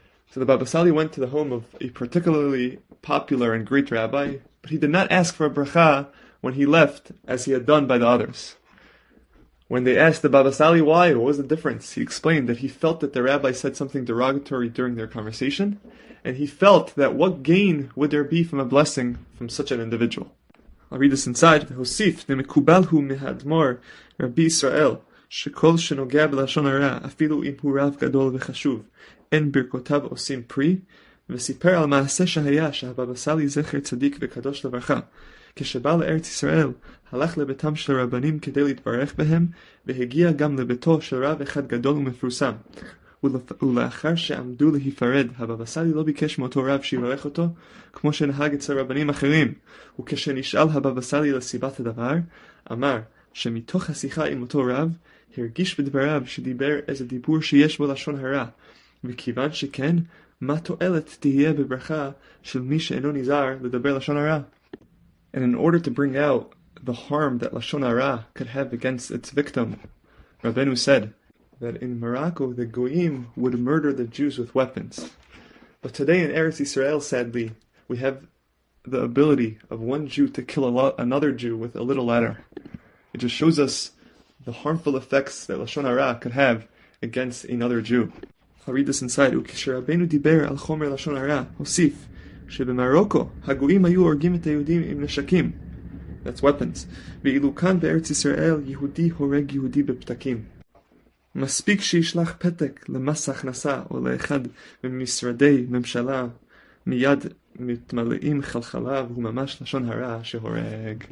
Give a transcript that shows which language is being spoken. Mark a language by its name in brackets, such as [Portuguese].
[English] So the Baba Sali went to the home of a particularly popular and great rabbi, but he did not ask for a bracha when he left, as he had done by the others. When they asked the Baba Sali why, what was the difference, he explained that he felt that the rabbi said something derogatory during their conversation, and he felt that what gain would there be from a blessing from such an individual. I'll read this inside. [Hebrew] Hosif, nemekubal hu mehadmor, Rabbi Israel, שכול שנוגע בלשון הרע, אפילו אם הוא רב גדול וחשוב, אין ברכותיו עושים פרי, וסיפר על מעשה שהיה שהבבא סאלי זכר צדיק וקדוש לברכה. כשבא לארץ ישראל, הלך לביתם של רבנים כדי להתברך בהם, והגיע גם לביתו של רב אחד גדול ומפורסם. ולאחר שעמדו להיפרד, הבבא סאלי לא ביקש מאותו רב שיברך אותו, כמו שנהג אצל רבנים אחרים. וכשנשאל הבבא סאלי לסיבת הדבר, אמר, שמתוך השיחה עם אותו רב, הרגיש בדבריו שדיבר איזה דיבור שיש בו לשון הרע, וכיוון שכן, מה תועלת תהיה בברכה של מי שאינו נזהר לדבר לשון הרע? [English] And in order to bring out the harm that לשון הרע could have against its victim, Rabbeinu said that in Morocco the Goyim would murder the Jews with weapons. But today in Eretz Israel, sadly, we have the ability of one Jew to kill another Jew with a little ladder. It just shows us the harmful effects that Lashon Hara could have against another Jew. I'll read this inside. [Hebrew] וכשרבנו דיבר על חומר לשון הרע, הוסיף שבמרוקו הגויים היו הורגים את היהודים עם נשקים. [English] That's weapons. [Hebrew] ואילו כאן בארץ ישראל, יהודי הורג יהודי בפתקים. מספיק שישלח פתק למס הכנסה או לאחד ממשרדי ממשלה, מיד מתמלאים חלחלה והוא ממש לשון הרע שהורג.